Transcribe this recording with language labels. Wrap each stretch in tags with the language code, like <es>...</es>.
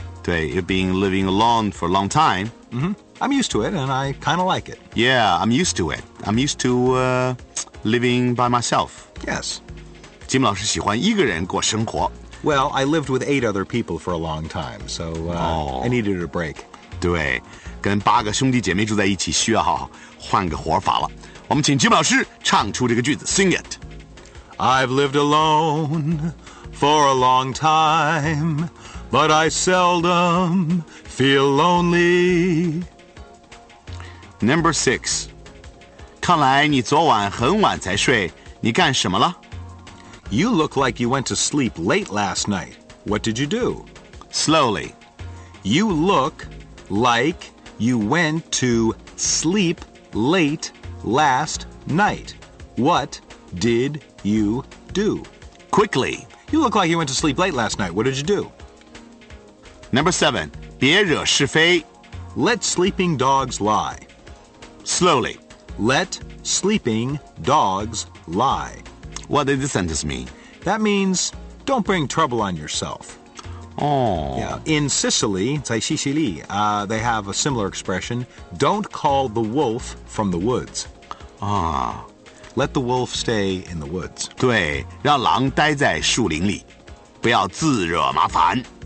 <zh>对,</zh> <en>you've been living alone for a long time. Mm-hmm. I'm used to it, and I kind of like it. Yeah, I'm used to it. I'm used to living by myself. Yes.</en> <zh>Jim 老师喜欢一个人过生活。</zh> <en>Well, I lived with 8 other people for a long time, so I needed a break.</en> <zh>对，跟八个兄弟姐妹住在一起，需要换个活法了。我们请 Jim 老师唱出这个句子 ，</zh> <en>Sing it. I've lived alone for a long time, but I seldom feel lonely. Number 6.</en> <zh>看来你昨晚很晚才睡，你干什么了？</zh> <en>You look like you went to sleep late last night. What did you do? Slowly. You look like you went to sleep late last night. What did you do? Quickly. You look like you went to sleep late last night. What did you do? Number 7.</en> <zh>别惹是非。</zh> <en>Let sleeping dogs lie. Slowly. Let sleeping dogs lie. What did this sentence mean? That means, don't bring trouble on yourself. Oh. Yeah. In Sicily, they have a similar expression, don't call the wolf from the woods. Ah. Let the wolf stay in the woods.</en> <zh>对,让狼待在树林里,不要自惹麻烦。</zh>